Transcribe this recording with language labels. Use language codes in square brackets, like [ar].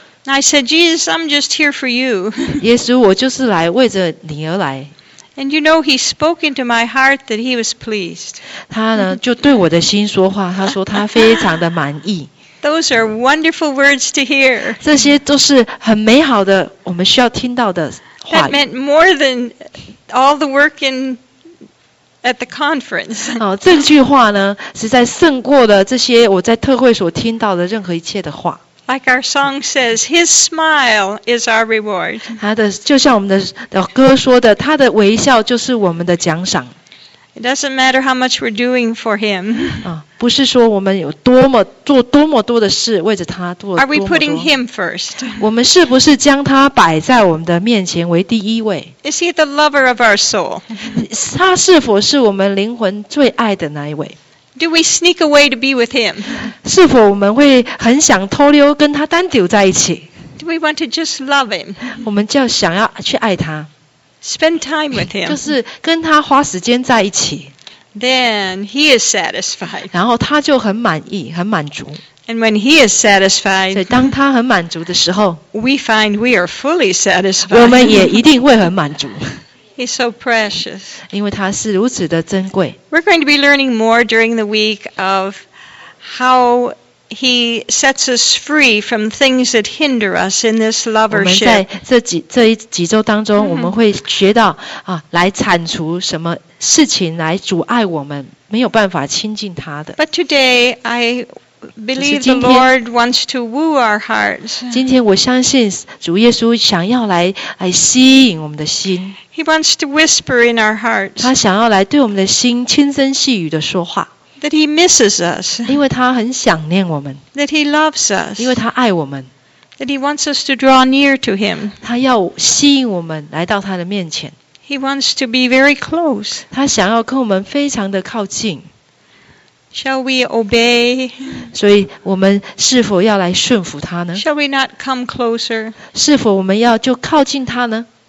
[en] I said, Jesus, I'm just here for you. [zh] 耶稣，我就是来为着你而来。 [en] And you know, he spoke into my heart that he was pleased. [zh] 他呢就对我的心说话，他说他非常的满意。 [en] Those are wonderful words to hear. [zh] 这些都是很美好的，我们需要听到的话。 [en] That meant more than all the work in. At the conference. [zh] 哦，这句话呢，实在胜过了这些我在特会所听到的任何一切的话。 [en] Like our song says, His smile is our reward. [zh] 他的就像我们 的歌说的，他的微笑就是我们的奖赏。 [en] It doesn't matter how much we're doing for Him. [zh] 啊，不是说我们有多么做多么多的事为着他做。 [en] Are we putting Him first? [zh] 我们是不是将他摆在我们的面前为第一位 [en] ？Is He the lover of our soul? [zh] 他是否是我们灵魂最爱的那一位 [en] ？Do we sneak away to be with Him? [zh] 是否我们会很想偷溜跟他单独在一起 [en] ？Do we want to just love Him? [zh] 我们就想要去爱他。 [en] Spend time with him. [zh] 就是跟他花时间在一起。 [en] Then he is satisfied. [zh] 然后他就很满意，很满足。 [en] And when he is satisfied, [zh] 所以当他很满足的时候 [en] we find we are fully satisfied. [zh] 我们也一定会很满足。 [en] He's so precious. [zh] 因为他是如此的珍贵。 [en] We're going to be learning more during the week of how he sets us free from things that hinder us in this lovership. [zh] 我们在这几周当中、mm-hmm. 我们会学到、啊、来铲除什么事情来阻碍我们没有办法亲近他的。 [en] But today, I believe the Lord wants to woo our hearts. [zh] 今天我相信主耶稣想要 来吸引我们的心。 [en] He wants to whisper in our hearts. [zh] 他想要来对我们的心轻声细语的说话。 [en] That he misses us. [zh] 因为他很想念我们。 [en] That he loves us. [zh] 因为他爱我们。 [en] That he wants us to draw near to him. [zh] 他要吸引我们来到他的面前。 [en] He wants to be very close. [zh] 他想要跟我们非常的靠近。 [en] Shall we obey? [zh] 所以我们是否要来顺服他呢? [en] Shall we not come closer? [zh] 是否我们要就靠近他呢?